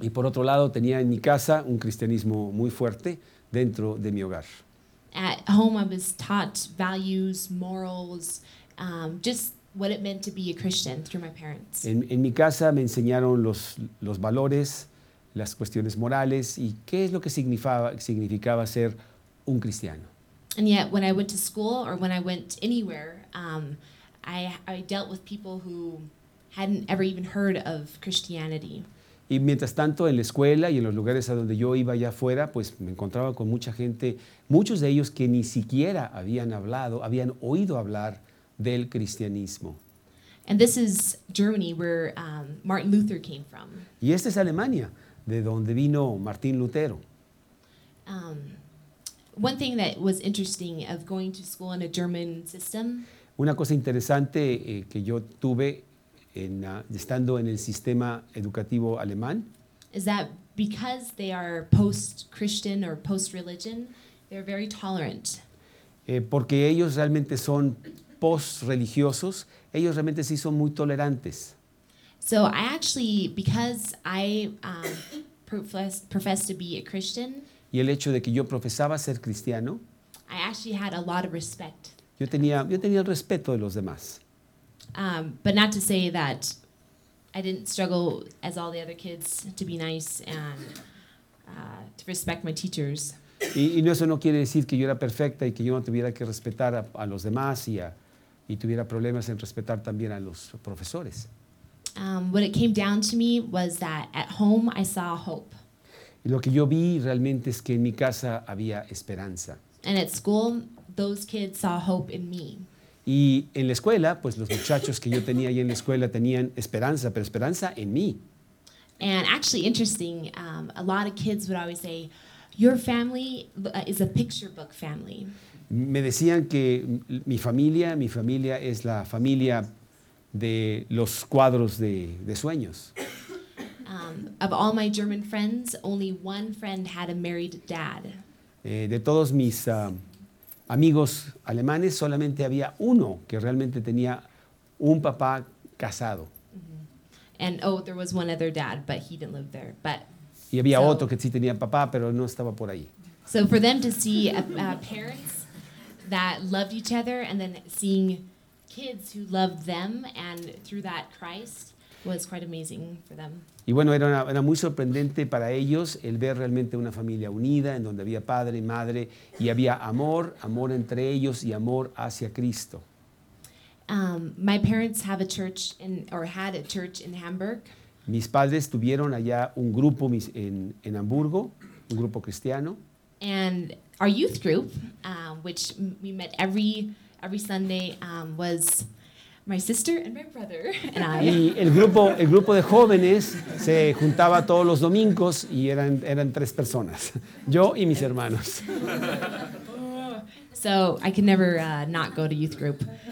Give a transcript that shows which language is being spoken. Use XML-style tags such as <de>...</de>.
<es>Y por otro lado, tenía en mi casa un cristianismo muy fuerte. Dentro de mi hogar.</es> <en>At home, I was taught values, morals, just what it meant to be a Christian through my parents.</en> <es>En mi casa me enseñaron los valores, las cuestiones morales y qué es lo que significaba ser un cristiano.</es> <en>And yet, when I went to school or when I went anywhere, I dealt with people who hadn't ever even heard of Christianity.</en> <es>Y mientras tanto, en la escuela y en los lugares a donde yo iba allá afuera, pues me encontraba con mucha gente, muchos de ellos que ni siquiera habían oído hablar del cristianismo.</es> <en>And this is Germany where Martin Luther came from.</en> <es>Y esta es Alemania, de donde vino Martín Lutero.</es> <en>One thing that was interesting of going to school in a German system.</en> <es>Una cosa interesante que yo tuve estando en el sistema educativo alemán.</es> <en>Is that because they are post-Christian or post-religion, they're very tolerant.</en> <es>Porque ellos realmente son post-religiosos, ellos realmente sí son muy tolerantes.</es> <en>So I actually, because I profess to be a Christian.</en> <es>Y el hecho de que yo profesaba ser cristiano.</es> <en>I actually had a lot of respect.</en> <es>Yo tenía el respeto de los demás.</es> <en>But not to say that I didn't struggle as all the other kids to be nice and to respect my teachers.</en> <es>Y eso no quiere decir que yo era perfecta y que yo no tuviera que respetar a los demás y tuviera problemas en respetar también a los profesores.</es> <en>What it came down to me was that at home I saw hope.</en> <es>Y lo que yo vi realmente es que en mi casa había esperanza.</es> <en>And at school, those kids saw hope in me.</en> <es>Y en la escuela, pues los muchachos que yo tenía ahí en la escuela tenían esperanza, pero esperanza en mí.</es> <en>And actually interesting, a lot of kids would always say, your family is a picture book family.</en> <es>Me decían que mi familia es la familia de los cuadros de sueños.</es> <en>Of all my German friends, only one friend had a married dad.</en> <es>De todos mis amigos alemanes, solamente había uno que realmente tenía un papá casado.</es> <en>And oh, there was one other dad, but he didn't live there. But</en> <es>y había otro que sí tenía papá, pero no estaba por ahí.</es> <en>So for them to see parents that loved each other and then seeing kids who loved them and through that Christ was quite amazing for them.</en> <es>Y bueno, era muy sorprendente para ellos el ver realmente una familia unida en donde había padre y madre y había amor entre ellos y amor hacia Cristo.</es> <en>My parents have a church had a church in Hamburg.</en> <es>Mis padres tuvieron allá un grupo en Hamburgo, un grupo cristiano.</es> <en>And our youth group, which we met every Sunday, was My sister and my brother and I.</en> <es>Y el grupo de jóvenes se juntaba todos los domingos y eran tres personas, yo y mis hermanos.</es> <en>So I could never not go to youth group.</en>